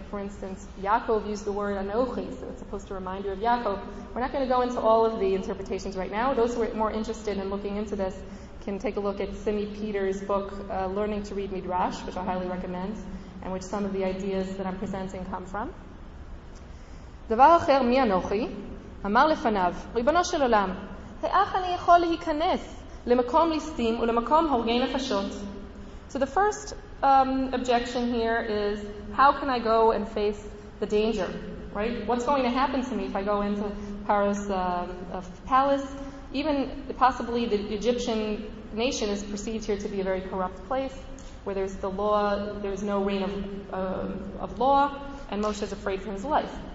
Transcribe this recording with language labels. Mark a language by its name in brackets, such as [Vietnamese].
[English] For instance, Yaakov used the word anochi, so it's supposed to remind you of Yaakov. We're not going to go into all of the interpretations right now. Those who are more interested in looking into this can take a look at Simi Peter's book, Learning to Read Midrash, which I highly recommend, and which some of the ideas that I'm presenting come from. [Hebrew] Dava acher mi anochi. אמר לפניו, ריבונו של עולם, איך אני יכול להיכנס למקום ליסטים ולמקום הורגי נפשות? [English] So the first objection here is, how can I go and face the danger? Right? What's going to happen to me if I go into Paro's palace? Even possibly the Egyptian nation is perceived here to be a very corrupt place, where there's the law, there's no reign of law, and Moshe is afraid for his life.